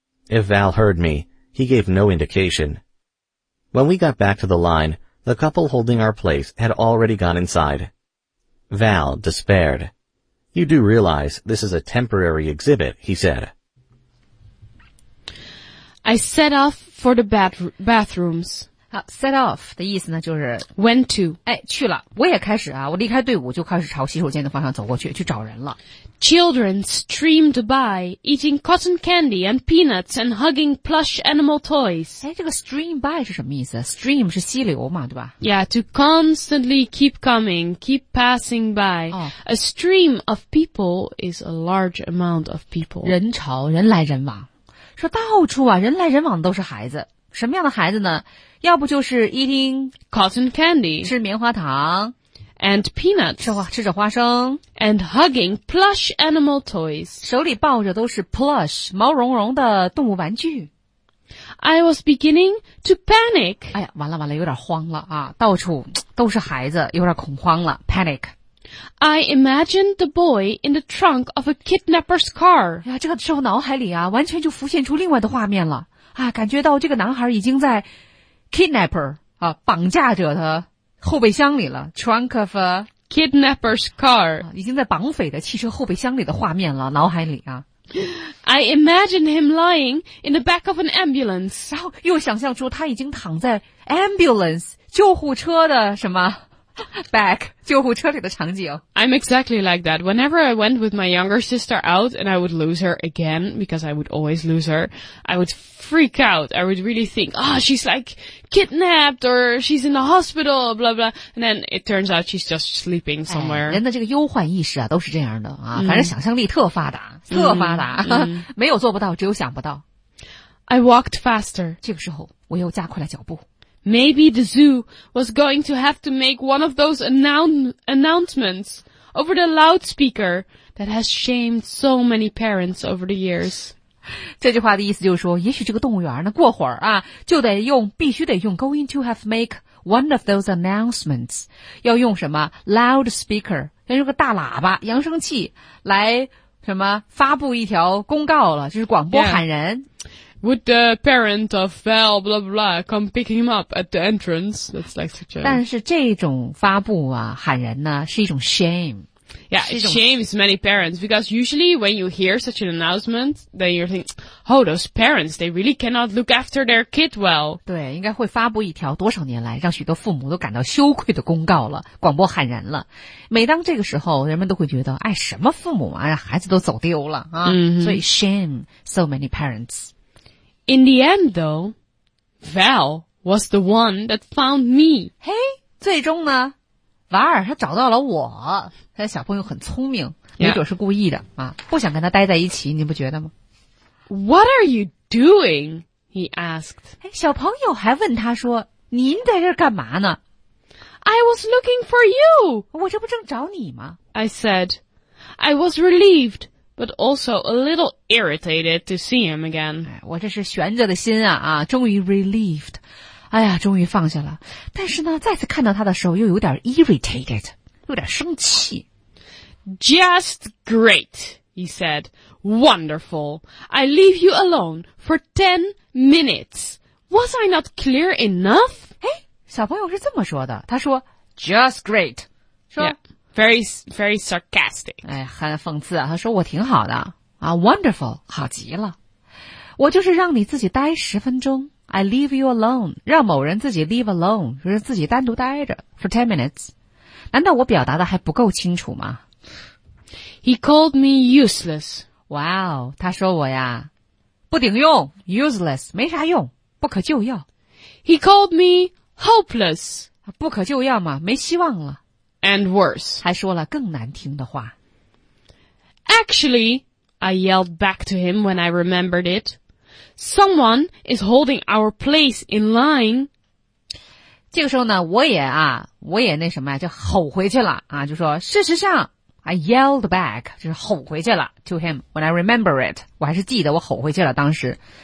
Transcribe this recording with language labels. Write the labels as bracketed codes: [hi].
[en] If Val heard me, he gave no indication. When we got back to the line, the couple holding our place had already gone inside. Val despaired. You do realize this is a temporary exhibit, he said. I set off for the bathrooms. Set off [zh] 的意思呢就是 [en] went to. [zh] 哎，去了。我也开始啊，我离开队伍就开始朝洗手间的方向走过去，去找人了。 [en] Children streamed by, eating cotton candy and peanuts and hugging plush animal toys. [zh] 哎，这个 [en] stream by [zh] 是什么意思？Stream 是溪流嘛，对吧？ [en] Yeah, to constantly keep coming, keep passing by.、哦、 a stream of people is a large amount of people. [zh] 人潮，人来人往。说到处啊，人来人往都是孩子。什么样的孩子呢？要不就是 [en] eating cotton candy， [zh] 吃棉花糖。 [en] And peanuts. [zh] 吃着花生。 [en] And hugging plush animal toys. [zh] 手里抱着都是 plush, 毛茸茸的动物玩具。 [en] I was beginning to panic. [zh] 哎呀，完了完了，有点慌了啊，到处都是孩子，有点恐慌了， panic. [en] I imagined the boy in the trunk of a kidnapper's car. [zh] 哎呀，这个时候脑海里啊，完全就浮现出另外的画面了。啊，感觉到这个男孩已经在 kidnapper, 啊，绑架者的后备箱里了 [en] ,trunk of a kidnapper's car, [zh] 已经在绑匪的汽车后备箱里的画面了脑海里啊。 [en] I imagine him lying in the back of an ambulance, [zh] 然后又想象出他已经躺在 ambulance, 救护车的什么 back, 救护车里的场景。 [en] I'm exactly like that. Whenever I went with my younger sister out and I would lose her again, because I would always lose her, I would freak out. I would really think, ah,、oh, she's like kidnapped or she's in the hospital, blah, blah. And then it turns out she's just sleeping somewhere.、 [zh] 哎、人的这个忧患意识啊都是这样的啊、mm. 反正想象力特发达特发达、mm. 没有做不到只有想不到。 [en] I walked faster. [zh] 这个时候我又加快了脚步。 [en] Maybe the zoo was going to have to make one of those announcements over the loudspeaker that has shamed so many parents over the years. [zh] 这句话的意思就是说，也许这个动物园呢，过会儿啊，就得用，必须得用 [en] going to have to make one of those announcements， [zh] 要用什么 loudspeaker， 要用个大喇叭、扬声器来什么发布一条公告了，就是广播喊人。 [en] Yeah. Would the parent of Val blah blah come pick him up at the entrance? That's like such a. [zh] 但是这种发布啊，喊人呢，是一种 shame. [en] Yeah, it shames many parents because usually when you hear such an announcement, then you think, oh, those parents, they really cannot look after their kid well. [zh] 对，应该会发布一条多少年来让许多父母都感到羞愧的公告了，广播喊人了。每当这个时候，人们都会觉得，哎，什么父母啊，让孩子都走丢了啊， mm-hmm. 所以 [en] shame so many parents. In the end, though, Val was the one that found me. [zh] Hey, 最终呢，瓦尔他找到了我。他小朋友很聪明，没准是故意的、 [en] yeah. [zh] 啊，不想跟他待在一起，你不觉得吗 [en] ？What are you doing? He asked. [zh] 哎，小朋友还问他说：“您在这干嘛呢 [en] ？”I was looking for you. [zh] 我这不正找你吗 [en] ？I said. I was relieved. But also a little irritated to see him again. [zh] 哎，我这是悬着的心啊啊！终于 relieved， 哎呀，终于放下了。但是呢，再次看到他的时候，又有点 irritated， 有点生气。 [en] Just great, he said. Wonderful. I leave you alone for 10 minutes. Was I not clear enough? 哎， [zh] 小朋友是这么说的，他说 [en] just great, [zh] 说、 [en] yeah. very, very sarcastic. [zh] 哎，很讽刺，他说我挺好的啊 wonderful, 好极了。我就是让你自己待十分钟 [en] I leave you alone, [zh] 让某人自己 [en] leave alone, [zh] 就是自己单独待着 [en] for 10 minutes. [zh] 难道我表达的还不够清楚吗？ [en] He called me useless. [zh] Wow, 他说我呀不顶用 useless, 没啥用不可救药。 [en] He called me hopeless. [zh] 不可救药嘛没希望了。 [en] And worse. [zh] 还说了更难听的话。 [en] Actually, I yelled back to him when I remembered it. Someone is holding our place in line. [zh] 这个时候呢我也那什么就吼回去了啊就说事实上 [en] I yelled back, [zh] 就是吼回去了 [en] to him when I remember it. [zh] 我还是记得我吼回去了当时。